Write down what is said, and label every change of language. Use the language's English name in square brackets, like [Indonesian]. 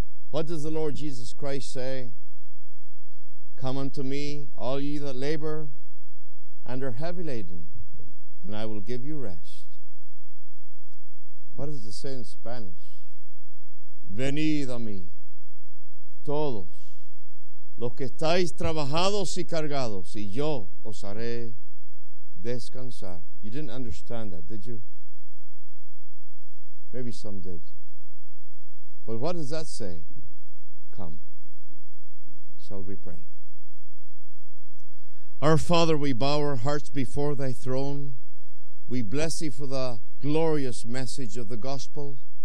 [English] What does the Lord Jesus Christ say? Come unto me, all ye that labor and are heavy laden, and I will give you rest. What does it say in Spanish? [Spanish] Venid a mí. Todos los que estáis trabajados y cargados, y yo os haré descansar. [English] You didn't understand that, did you? Maybe some did. But what does that say? Come. Shall we pray? Our Father, we bow our hearts before thy throne. We bless thee for the glorious message of the gospel.